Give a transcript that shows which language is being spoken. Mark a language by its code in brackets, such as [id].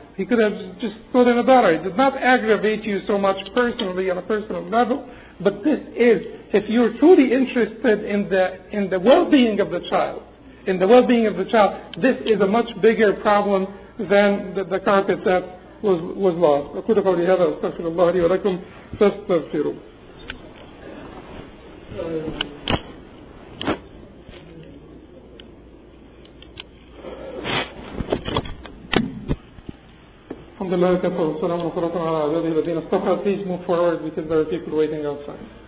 [en] He could have just stolen a dollar. It did not aggravate you so much personally on a personal level. But this is, if you're truly interested in the well-being of the child, in the well-being of the child, this is a much bigger problem than the carpet that was lost. [ar] أقول قولي هذا أستغفر الله لي ولكم فاستغفروا. الحمد لله كفى والصلاة والسلام على عباده الذين اصطفى. [en] Please move forward because there are people waiting outside.